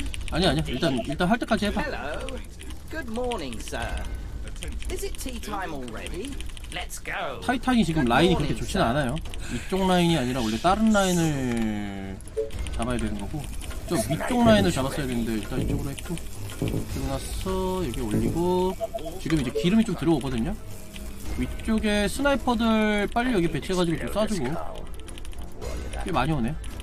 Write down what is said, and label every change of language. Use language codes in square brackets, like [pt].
[ko] 아니야 아니야 일단 일단 할 때까지 해봐. [en] Good morning, sir. Is it tea time already? Let's go. [ko] 타이탄이 지금 라인이 그렇게 좋진 않아요. 이쪽 라인이 아니라 원래 다른 라인을 잡아야 되는 거고 좀 위쪽 라인을 잡았어야 되는데 일단 이쪽으로 했고 그리고 나서 여기 올리고 지금 이제 기름이 좀 들어오거든요. 위쪽에 스나이퍼들 빨리 여기 배치해가지고 좀 쏴주고 꽤 많이 오네.